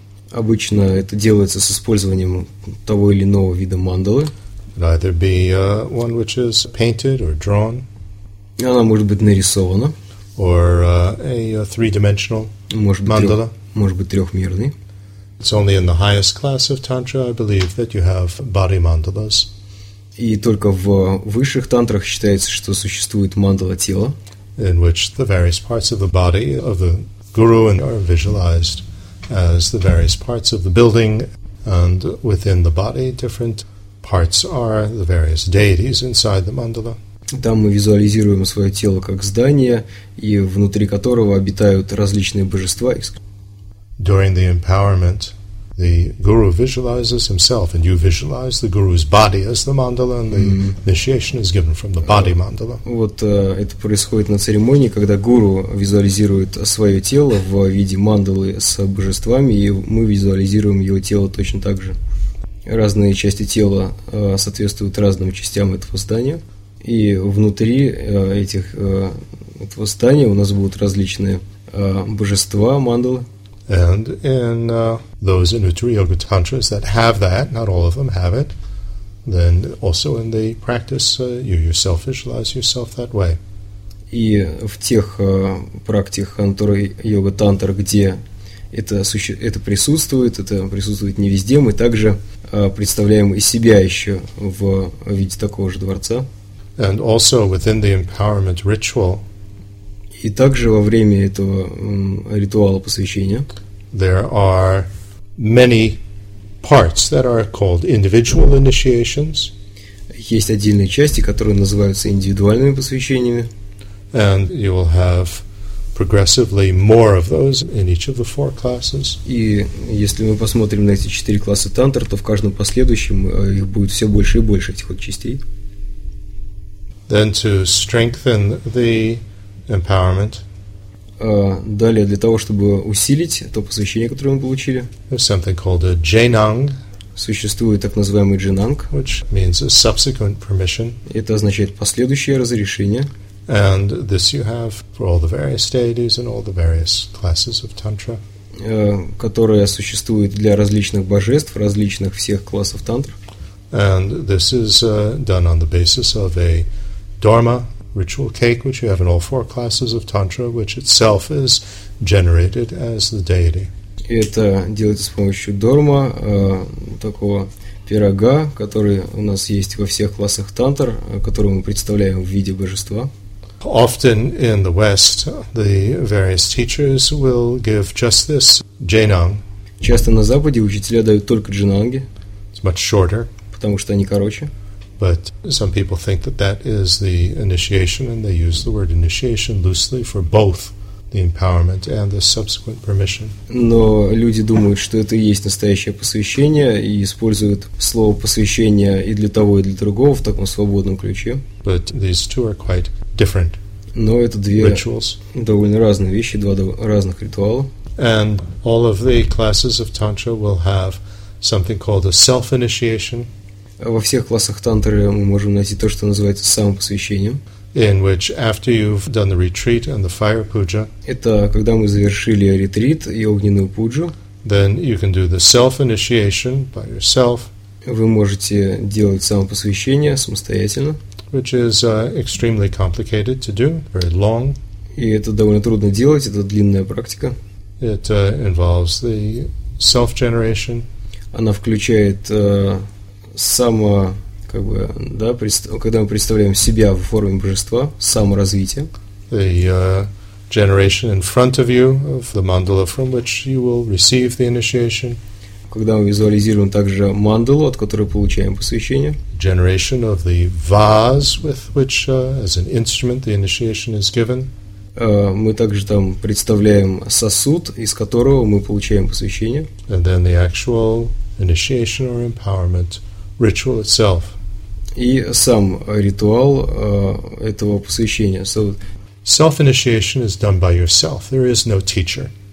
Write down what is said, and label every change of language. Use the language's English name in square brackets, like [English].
[Russian] Обычно это делается с использованием того или иного вида мандалы. [English] Either be one which is painted or drawn. [Russian] Она может быть нарисована. [English] Or a three-dimensional mandala. [Russian] Может быть трехмерный. [English] It's only in the highest class of tantra, I believe, that you have body mandalas. [Russian] И только в высших тантрах считается, что существует мандала тела. [English] In which the various parts of the body of the guru are visualized as the various parts of the building, and within the body, different parts are the various deities inside the mandala. [Russian] Там мы визуализируем свое тело как здание, и внутри которого обитают различные божества. [English] During the empowerment, the guru visualizes himself, and you visualize the guru's body as the mandala, and the initiation is given from the body mandala. [Russian] Вот это происходит на церемонии, когда гуру визуализирует свое тело в виде мандалы с божествами, и мы визуализируем его тело точно так же. Разные части тела соответствуют разным частям этого здания, и внутри этого здания у нас будут различные божества, мандалы. [English] And in those in Uttara Yoga Tantras that have that, not all of them have it, then also in the practice, you yourself visualize yourself that way. [Russian] И в тех практиках Uttara Yoga Tantra, где это присутствует, это присутствует не везде, мы также представляем и себя еще в виде такого же дворца. [English] And also within the empowerment ritual, [Russian] и также во время этого ритуала посвящения [English] there are many parts that are called individual initiations. [Russian] Есть отдельные части, которые называются индивидуальными посвящениями. [English] And you will have progressively more of those in each of the four classes. [Russian] И если мы посмотрим на эти четыре класса тантр, то в каждом последующем их будет все больше и больше этих вот частей. [English] Then to strengthen the empowerment. [Russian] Далее, для того, чтобы усилить то посвящение, которое мы получили, [English] there's something called a jenang, [Russian] существует так называемый jenang, [English] which means a subsequent permission. [Russian] Это означает последующее разрешение. [English] And this you have for all the various deities and all the various classes of tantra. [Russian] Которое существует для различных божеств, различных всех классов тантр. [English] And this is done on the basis of a dharma, ritual cake, which you have in all four classes of tantra, which itself is generated as the deity. [Russian] Это делается с помощью дорма, такого пирога, который у нас есть во всех классах тантр, который мы представляем в виде божества. [English] Often in the West, the various teachers will give just this jenang. [Russian] Часто на Западе учителя дают только джинанги. [English] It's much shorter. [Russian] Потому что они короче. [English] But some people think that that is the initiation, and they use the word initiation loosely for both the empowerment and the subsequent permission. [Russian] Но люди думают, что это и есть настоящее посвящение, и используют слово посвящение и для того, и для другого в таком свободном ключе. [English] But these two are quite different. [Russian] Но это две [English] rituals. [Russian] Довольно разные вещи, два разных ритуала. [English] And all of the classes of Tantra will have something called a self-initiation. [Russian] Во всех классах тантры мы можем найти то, что называется самопосвящением. [English] In which after you've done the retreat and the fire puja. [Russian] Это когда мы завершили ретрит и огненную пуджу. [English] Then you can do the self-initiation by yourself. [Russian] Вы можете делать самопосвящение самостоятельно. [English] Which is extremely complicated to do, very long. [Russian] И это довольно трудно делать, это длинная практика. [English] It involves the self-generation. [Russian] Она включает само, как бы, да, когда мы представляем себя в форме божества, саморазвитие. [English] The generation in front of you of the mandala from which you will receive the initiation. [Russian] Когда мы визуализируем также мандалу, от которой получаем посвящение. [English] Generation of the vase with which, as an instrument, the initiation is given. [Russian] Мы также там представляем сосуд, из которого мы получаем посвящение. [English] And then the actual initiation or empowerment ritual itself. [Russian] И сам ритуал этого посвящения. [English] So, self-initiation is done by yourself. There is no teacher.